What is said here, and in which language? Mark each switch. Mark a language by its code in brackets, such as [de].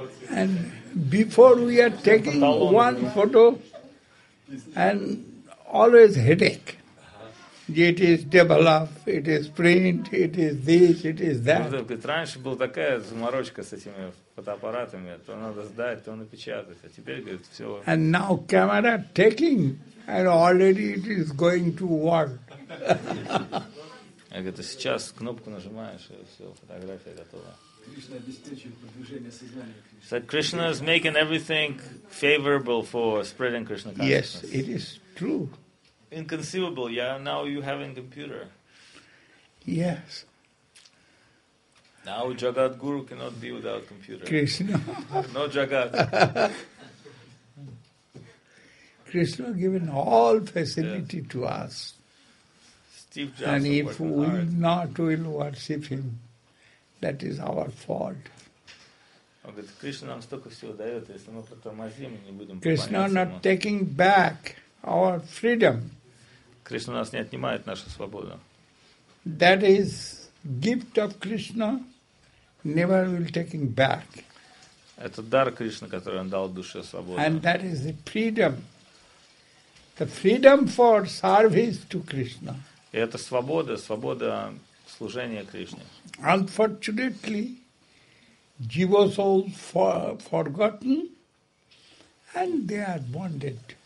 [en] And before we are taking one photo, and always headache. It is developed, it is print, it is this, it is that. [ru] Раньше была такая заморочка с этими фотоаппаратами, то надо сдать, то напечатать, а теперь, говорит, все. [en] And now camera taking, and already it is going to work. [ru] Я говорю, сейчас кнопку нажимаешь, и все, фотография готова. [en] So Krishna is making everything favorable for spreading Krishna consciousness. Yes, it is true. Inconceivable, yeah. Now you have a computer. Yes. Now Jagat Guru cannot be without computer. Krishna. No Jagat. Krishna given all facility, yes, to us. Steve Jobs. And if we not will worship him, that is our fault. [ru] Он говорит, Кришна нам столько всего дает, если мы потормозим, мы не будем. [en] Krishna not taking back our freedom. [ru] Кришна нас не отнимает нашу свободу. [en] That is gift of Krishna, never will taking back. [ru] Это дар Кришны, который он дал душе свободу. [en] And that is the freedom for service to Krishna. [ru] И это свобода, свобода служения Кришне. [en] Unfortunately, jiva soul forgotten, and they are bonded.